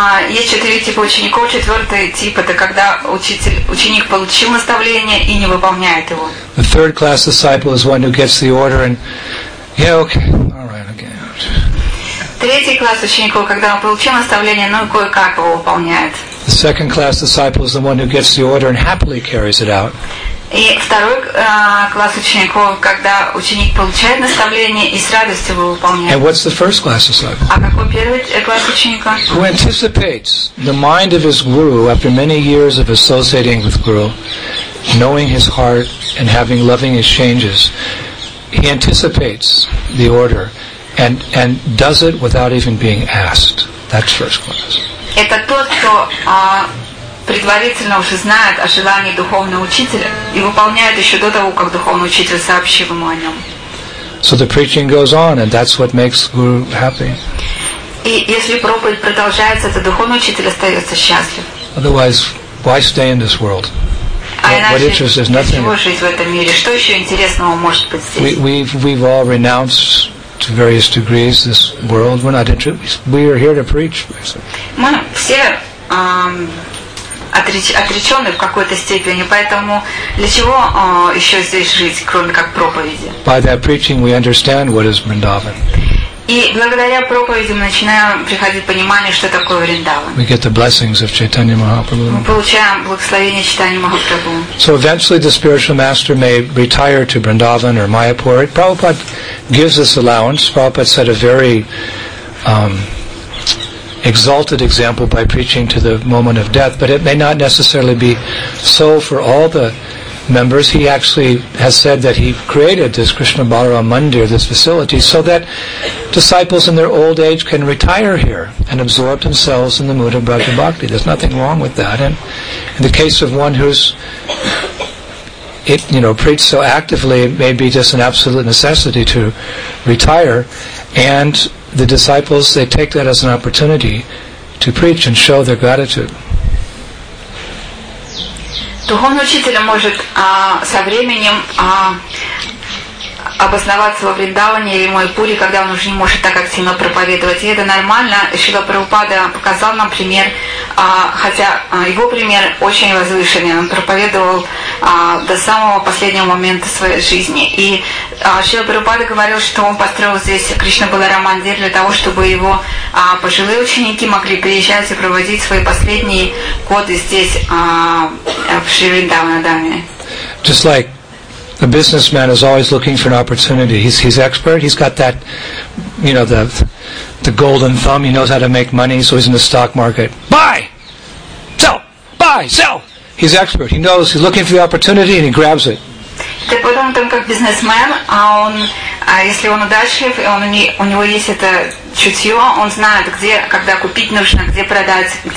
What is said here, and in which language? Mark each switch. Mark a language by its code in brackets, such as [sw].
[ru] Есть четыре типа учеников. Четвертый тип — это когда ученик получил наставление и не выполняет его. [en] The third class disciple is one who gets the order and yeah, okay, all right, okay. [ru] Третий класс учеников, когда он получил наставление, но кое-как его выполняет. [en] The second class disciple is the one who gets the order and happily carries it out. [ru] И второй класс учеников, когда ученик получает наставление и с радостью его выполняет. [en] And what's the first class disciple? [ru] А какой первый класс ученика? [en] Who anticipates the mind of his guru after many years of associating with guru, knowing his heart and having loving exchanges. He anticipates the order and does it without even being asked. That's first class. [ru] Это тот, кто предварительно уже знает о желании духовного учителя и выполняет еще до того, как духовный учитель сообщил ему о нем. [en] So the preaching goes on, and that's what makes guru happy. [ru] И если проповедь продолжается, то духовный учитель остается счастлив. [en] Otherwise, why stay in this world? What interest is nothing? [ru] Для чего жить в этом мире? Что еще интересного может быть здесь? [en] We've all renounced to various degrees this world. We're not interested. We are here to preach. [ru] Мы все отречены в какой-то степени, поэтому для чего еще здесь жить, кроме как проповеди? [en] By that preaching, we understand what is Vrindavan. [ru] И благодаря проповеди мы начинаем приходить понимание, что такое Вриндаван. [en] We get the blessings of Chaitanya Mahaprabhu. [ru] Мы получаем благословение Чайтаньи Махапрабху. [en] So eventually the spiritual master may retire to Vrindavan or Mayapur. Prabhupada gives us allowance. Prabhupada set a very exalted example by preaching to the moment of death, but it may not necessarily be so for all the members. He actually has said that he created this Krishna Balaram Mandir, this facility, so that disciples in their old age can retire here and absorb themselves in the mood of Braja Bhakti. There's nothing wrong with that. And in the case of one who's preached so actively, it may be just an absolute necessity to retire. And the disciples, they take that as an opportunity to preach and show their gratitude. [ru] Духовный учитель может со временем обосноваться во Вриндаване или Майпуре, когда он уже не может так активно проповедовать. И это нормально. Шрила Прабхупада показал нам пример, хотя его пример очень возвышенный. Он проповедовал до самого последнего момента своей жизни. И Шрила Прабхупада говорил, что он построил здесь Кришна Баларам Мандир для того, чтобы его пожилые ученики могли приезжать и проводить свои последние годы здесь, в Шри Вриндаване. [en] Just like a businessman is always looking for an opportunity. He's expert. He's got that, you know, the golden thumb. He knows how to make money. So he's in the stock market. Buy! Sell! Buy! Sell! He's expert. He knows. He's looking for the opportunity and he grabs it. [ru] Так вот он там как бизнесмен, если он удачлив, у него есть это чутье, он знает, где, когда купить нужно, где продать.